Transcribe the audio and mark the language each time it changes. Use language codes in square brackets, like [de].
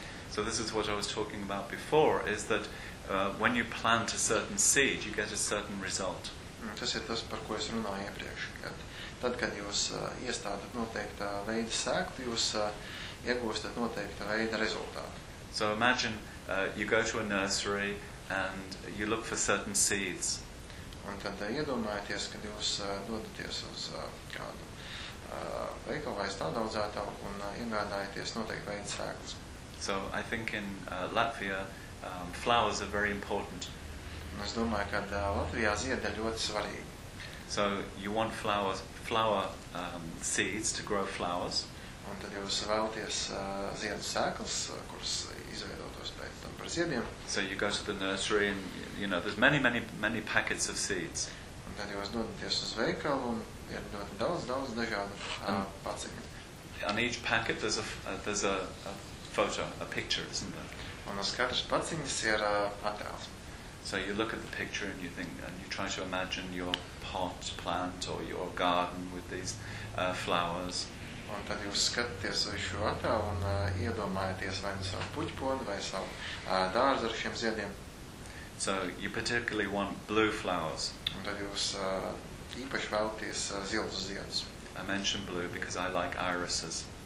[en] So this is what I was talking about before, is that when you plant a certain seed, you get a certain result. [lv] Tas ir tas, par ko es runāju iepriekš. Tad, kad jūs iestādat noteiktā veida sēklu, jūs iegūstat noteiktā veida rezultātu. [en] So imagine you go to a nursery and you look for certain seeds. [lv] Un tad iedomājieties, kad jūs dodaties uz kādu veikalu vai stādaudzētāju un iegādājieties noteiktā veida sēklas. [en] So I think in Latvia, flowers are very important. [lv] Es domāju, ka Latvijā zieda ļoti svarīgi. [en] So you want flowers, flower seeds to grow flowers. [lv] Un tad jūs vēlaties ziedu sēklas, kuras izveidotos pēc tam par ziediem. [en] So you go to the nursery and you know there's many many many packets of seeds. [lv] Un tad jūs dodaties uz veikalu un ir ļoti daudz daudz dažādu paciņu. [en] On each packet there's a photo, a picture, isn't there? [lv] Un uz katras paciņas ir attēls. [en] So you look at the picture and you think and you try to imagine your pot plant or your garden with these flowers. [lv] Un tad jūs skatāties uz šo attēlu un iedomājaties vai savu puķpodu vai savu dārzu ar šiem ziediem. [en] So you particularly want blue flowers. [lv] Un tad jūs īpaši vēlaties zilus ziedus. [en] I mention blue because I like irises.